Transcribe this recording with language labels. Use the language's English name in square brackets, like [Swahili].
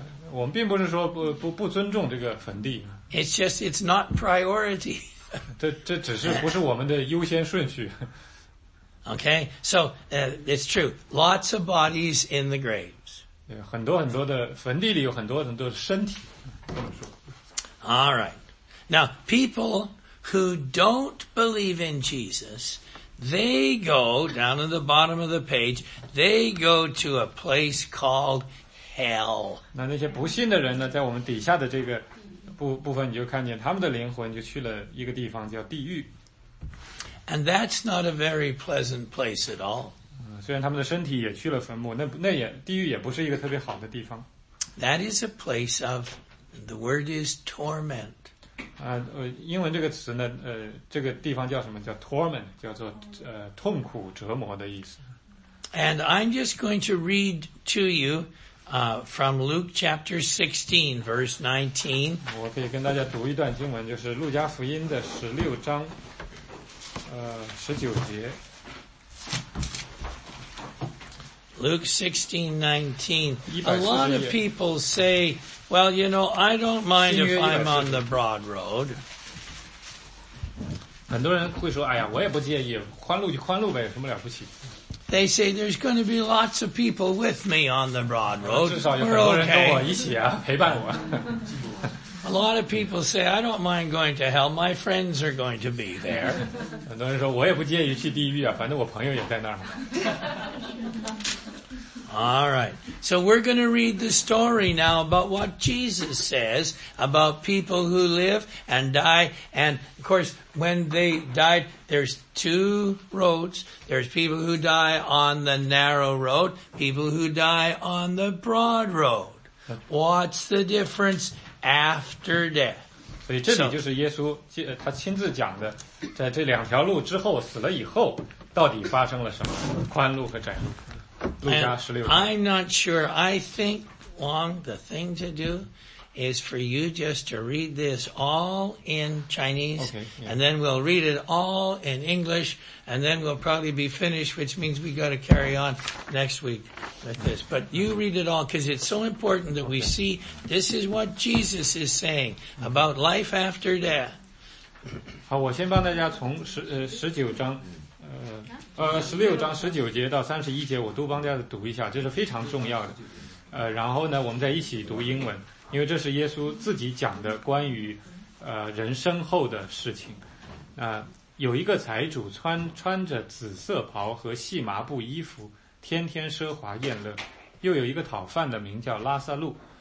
[Chinese] 我们并不是说不尊重这个坟地。 [English] It's just it's not priority. [Chinese] 这只是不是我们的优先顺序。 [English] Okay, so it's true. Lots of bodies in the graves. [Chinese] 很多很多的坟地里有很多很多的身体。 [English] All right. Now, people who don't believe in Jesus, they go down to the bottom of the page, they go to a place called hell. [Chinese] 那些不信的人呢，在我们底下的这个部分，你就看见他们的灵魂就去了一个地方叫地狱。 [English] And that's not a very pleasant place at all. [Chinese] 虽然他们的身体也去了坟墓，那也地狱也不是一个特别好的地方。 [English] That is a place of, the word is torment. [Chinese] 英文这个词呢这个地方叫什么叫 torment 叫做痛苦折磨的意思 [English] And I'm just going to read to you from Luke chapter 16 verse 19 [Chinese] 我可以跟大家读一段经文就是路加福音的16章19节 [English] Luke 16:19 A lot of people sayWell, you know, I don't mind if I'm on the broad road. [Chinese] 很多人会说，哎呀，我也不介意，宽路就宽路呗，有什么了不起 [English] ？They say there's going to be lots of people with me on the broad road. [Chinese] 至少有很多人跟我一起啊，陪伴我。 [English] A lot of people say I don't mind going to hell. My friends are going to be there. [Chinese] 很多人说我也不介意去地狱啊，反正我朋友也在那儿。 [English] All right, so we're going to read the story now about what Jesus says about people who live and die. And, of course, when they died, there's two roads. There's people who die on the narrow road, people who die on the broad road. What's the difference after death? [Chinese] 所以这里就是耶稣他亲自讲的，在这两条路之后，死了以后，到底发生了什么，宽路和窄路。 [English] I'm not sure. I think, Wong, the thing to do is for you just to read this all in Chinese, okay,、yeah. and then we'll read it all in English, and then we'll probably be finished, which means we've got to carry on next week with this. But you read it all, because it's so important that、okay. we see this is what Jesus is saying about life after death. [Chinese] 好，我先帮大家从19章16章19节到31节我都帮大家读一下这是非常重要的然后呢我们再一起读英文因为这是耶稣自己讲的关于人生后的事情有一个财主穿着紫色袍和细麻布衣服天天奢华宴乐又有一个讨饭的名叫拉萨路